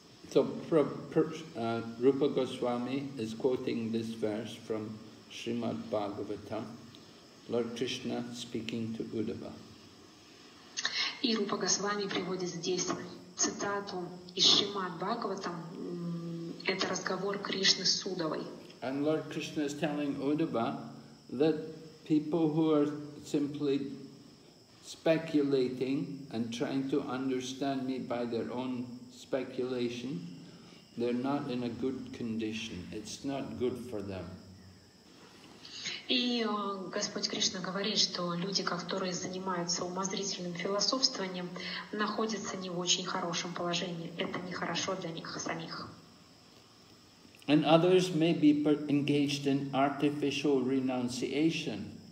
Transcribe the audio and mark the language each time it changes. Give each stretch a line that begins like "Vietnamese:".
English: So, Rupa Goswami is quoting this verse from Srimad Bhagavatam, Lord Krishna speaking to Uddhava.
Russian: И Рупа Госвами приводит здесь цитату из Шримад Бхагаватам, это разговор Кришны с Удавой.
English: And Lord Krishna is telling Uddhava that people who are simply speculating and trying to understand me by their own speculation, they're not in a good condition. It's not good for them.
Russian: И Господь Кришна говорит, что люди, которые занимаются умозрительным философствованием, находятся не в очень хорошем положении. Это нехорошо для них самих.
English: And others may be engaged in artificial renunciation.